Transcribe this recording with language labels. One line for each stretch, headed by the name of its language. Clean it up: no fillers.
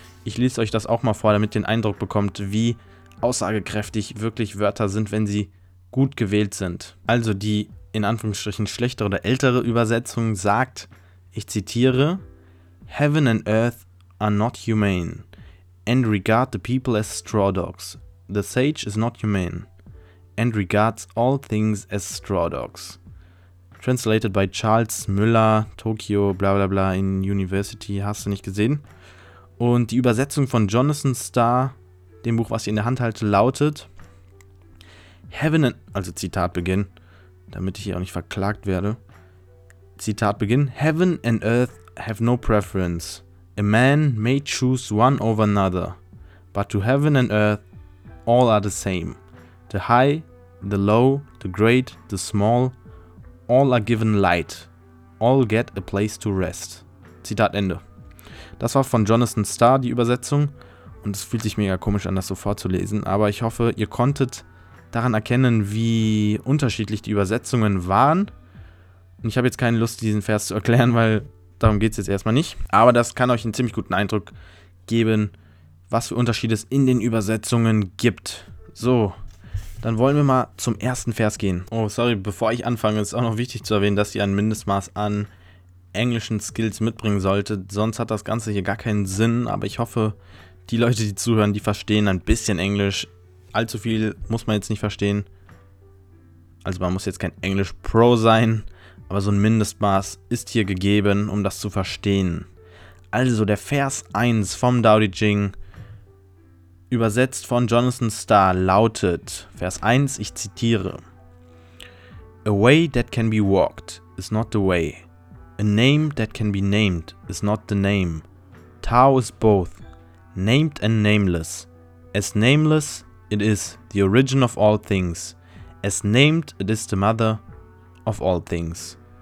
German: Ich lese euch das auch mal vor, damit ihr den Eindruck bekommt, wie aussagekräftig wirklich Wörter sind, wenn sie gut gewählt sind. Also die in Anführungsstrichen schlechtere oder ältere Übersetzung sagt, ich zitiere,
English: Heaven and earth are not humane, and regard the people as straw dogs. The sage is not humane, and regards all things as straw dogs. Translated by Charles Müller, Tokio, bla bla bla, in University,
German: hast du nicht gesehen. Und die Übersetzung von Jonathan Starr, dem Buch, was ich in der Hand halte, lautet,
English: Heaven and,
German: also Zitat Beginn, damit ich hier auch nicht verklagt werde. Zitat Beginn,
English: Heaven and earth have no preference. A man may choose one over another, but to heaven and earth, all are the same. The high, the low, the great, the small, all are given light. All get a place to rest.
German: Zitat Ende. Das war von Jonathan Starr die Übersetzung. Und es fühlt sich mega komisch an, das so vorzulesen. Aber ich hoffe, ihr konntet daran erkennen, wie unterschiedlich die Übersetzungen waren. Und ich habe jetzt keine Lust, diesen Vers zu erklären, weil darum geht es jetzt erstmal nicht. Aber das kann euch einen ziemlich guten Eindruck geben, was für Unterschiede es in den Übersetzungen gibt. So. Dann wollen wir mal zum ersten Vers gehen. Oh, sorry, bevor ich anfange, ist auch noch wichtig zu erwähnen, dass ihr ein Mindestmaß an englischen Skills mitbringen solltet. Sonst hat das Ganze hier gar keinen Sinn. Aber ich hoffe, die Leute, die zuhören, die verstehen ein bisschen Englisch. Allzu viel muss man jetzt nicht verstehen. Also man muss jetzt kein Englisch-Pro sein. Aber so ein Mindestmaß ist hier gegeben, um das zu verstehen. Also der Vers 1 vom Tao Te Ching, übersetzt von Jonathan Starr, lautet, Vers 1, ich zitiere,
English: A way that can be walked is not the way. A name that can be named is not the name. Tao is both, named and nameless. As nameless, it is the origin of all things. As named, it is the mother of all things.